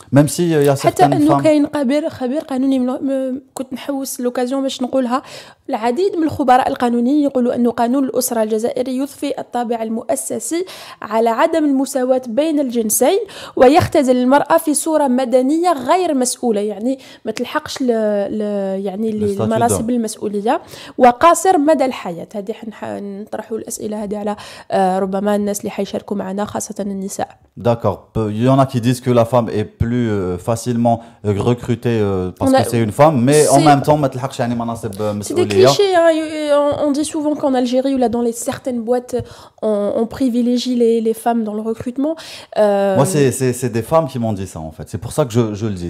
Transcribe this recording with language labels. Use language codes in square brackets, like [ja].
[fr] Même si il y a certaines femmes. Donc il y a une [ar] qabir qanouni, كنت نحوس [fr] l'occasion [ar] باش نقولها. العديد من الخبراء القانونيين يقولوا أن قانون الأسرة الجزائري يضفي الطابع المؤسسي على عدم المساواة بين الجنسين ويختزل المرأة في صورة مدنية غير مسؤولة، يعني ما تلحقش يعني للمناصب المسؤولية وقاصر مدى الحياة. هذه نطرحوا الأسئلة هذه على ربما الناس اللي حيشاركوا معنا خاصة النساء. [fr] D'accord. Il y en a qui disent que la femme est plus facilement recrutée parce que c'est une femme, mais en même temps, c'est des clichés. Hein. On dit souvent qu'en Algérie ou là dans certaines boîtes, on privilégie les femmes dans le recrutement. Moi, c'est des femmes qui m'ont dit ça, en fait. C'est pour ça que je le dis.